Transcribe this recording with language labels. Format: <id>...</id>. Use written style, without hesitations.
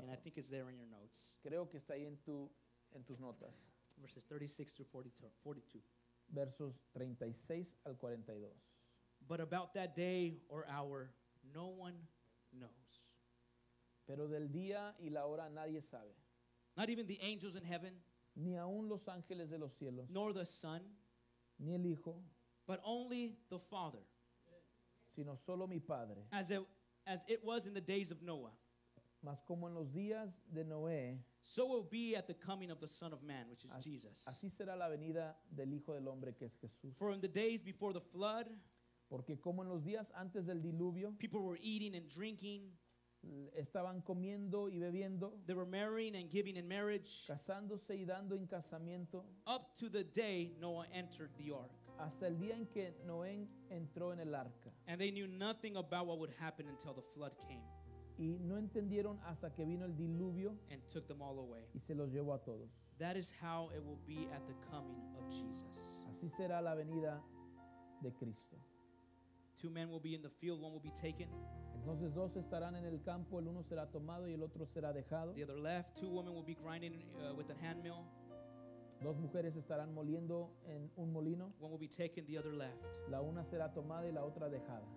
<en>And I think it's there in your notes.</en> <es>Creo que está ahí en tus notas.</es> <en>Verses 36 through 42.</en> <es>Versos 36 al 42.</es> <en>But about that day or hour, no one knows.</en> <es>Pero del día y la hora nadie sabe.</es> <en>Not even the angels in heaven.</en> <es>Ni aun los ángeles de los cielos.</es> <en>Nor the Son.</en> <es>Ni el Hijo.</es> <en>But only the Father.</en> <es>Sino solo mi Padre.</es> <en>As it was in the days of Noah.</en> <es>Mas como en los días de Noé.</es> <en>So will be at the coming of the Son of Man, which is Jesus.</en> <es>Así será la venida del Hijo del Hombre, que es Jesús.</es> <en>For in the days before the flood.</en> <es>Porque como en los días antes del diluvio.</es> <en>People were eating and drinking.</en> <es>Estaban comiendo y bebiendo.</es> <en>They were marrying and giving in marriage.</en> <es>Casándose y dando en casamiento.</es> <en>Up to the day Noah entered the ark.</en> <es>Hasta el día en que Noé entró en el arca.</es> <en>And they knew nothing about what would happen until the flood came.</en> <es>Y no entendieron hasta que vino el diluvio.</es> <en>And took them all away.</en> <es>Y se los llevó a todos.</es> <en>That is how it will be at the coming of Jesus.</en> <es>Así será la venida de Cristo.</es> <en>Two men will be in the field, one will be taken.</en> <es>Entonces dos estarán en el campo, el uno será tomado y el otro será dejado.</es> <en>The other left, two women will be grinding with a handmill.</en> <es>Dos mujeres estarán moliendo en un molino.</es> <en>One will be taken, the other left.</en> <es>La una será tomada y la otra dejada.</es>